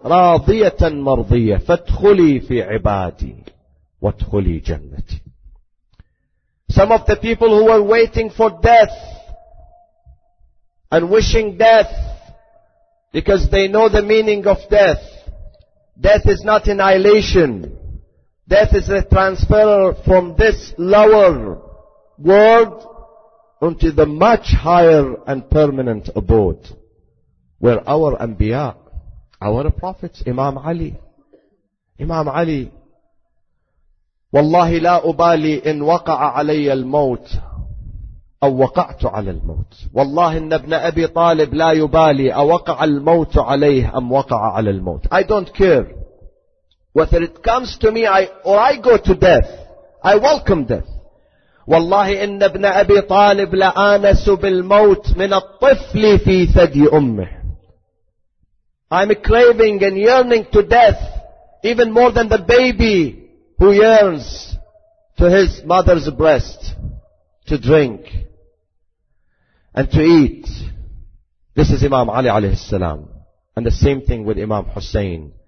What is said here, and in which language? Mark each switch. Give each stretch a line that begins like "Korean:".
Arabic: Radiyatan mardiyah. Fadkhuli fi ibadi. Wadkhuli jannati.
English: Some of the people who were waiting for death and wishing death because they know the meaning of death. Death is not annihilation. Death is a transfer from this lower world onto the much higher and permanent abode where our Anbiya, our prophets, Imam Ali,
Arabic: والله لا أبالي إن وقع علي الموت أو وقعت على الموت والله إن ابن أبي طالب لا يبالي أوقع الموت عليه أم وقع على الموت.
English: I don't care whether it comes to me or I go to death. I welcome death.
Arabic: والله إن ابن أبي طالب لآنس بالموت من الطفل في ثدي أمه.
English: I'm craving and yearning to death even more than the baby who yearns to his mother's breast to drink and to eat. This is Imam Ali alayhi salam. And the same thing with Imam Hussein.